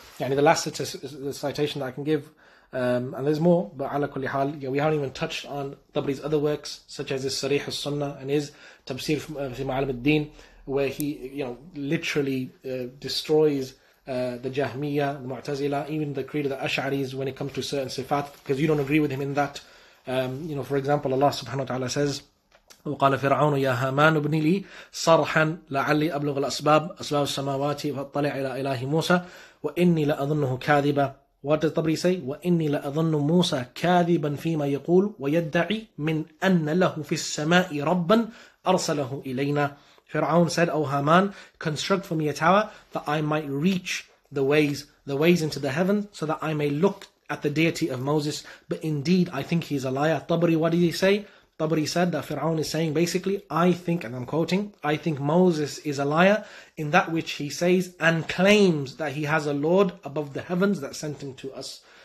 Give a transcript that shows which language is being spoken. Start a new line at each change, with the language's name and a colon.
English: Yani the last citation that I can give, and there's more, but
Arabic: ala kulli hal,
English: yeah, we haven't even touched on Tabari's other works, such as his Sarih al-Sunnah and his Tabsir fi Ma'alim al-Din, where he, you know, literally destroys the Jahmiya, the Mu'tazila, even the creed of the Ash'aris when it comes to certain sifat, because you don't agree with him in that. You know, for example, Allah subhanahu wa ta'ala says,
Arabic: وقال فرعون يا هامان ابن لي صرحا لعلي أبلغ الأسباب أسباب السماوات فاطلع إلى إله موسى وإني لأظنه كاذبا.
English: What does Tabari say?
Arabic: وإني لأظن موسى كاذبا فيما يقول ويدعي من أن له في السماء ربا أرسله إلينا.
English: Fir'aun said, O Haman, construct for me a tower that I might reach the ways into the heaven so that I may look at the deity of Moses, but indeed I think he's a liar. Tabari, what did he say? Tabari said that Fir'aun is saying, basically, I think, and I'm quoting, I think Moses is a liar in that which he says and claims that he has a Lord above the heavens that sent him to us.